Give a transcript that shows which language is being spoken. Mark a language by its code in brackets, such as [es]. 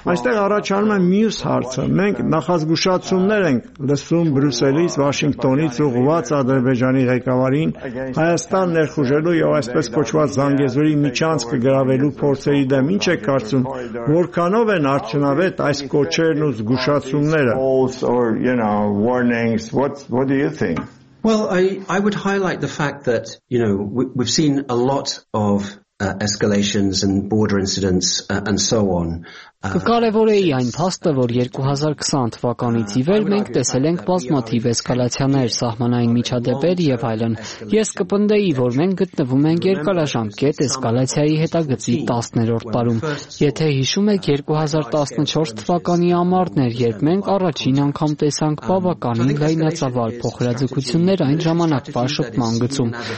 [hy] Այստեղ առաջանում է մյուս հարցը. Մենք նախազգուշացումներ ենք լսում Բրյուսելից, Վաշինգտոնից ուղղված Ադրբեջանի ղեկավարին Հայաստան ներխուժելու եւ այսպես կոչված Զանգեզուրի միջանց կգրավելու փորձերի դեմ։ Ինչ եք կարծում, որքանով են արդյունավետ այս կոչերն ու զգուշացումները? [en] Well, I would highlight the fact that, you know, we've seen a lot of escalations and border incidents and so on. [hy] Կարևոր էի այն փաստը, որ 2020 թվականից ի վեր մենք տեսել ենք բազմաթիվ էսկալացիաներ, սահմանային միջադեպեր եւ այլն։ Ես կպնդեի, որ մենք գտնվում ենք երկարաժամկետ էսկալացիայի հետագծի 10-րդ տարում։ Եթե հիշում եք 2014 թվականի ամառներ, երբ մենք առաջին անգամ տեսանք բավականին լայնածավալ փոխհրաձգություններ այն ժամանակվա շփման գծում,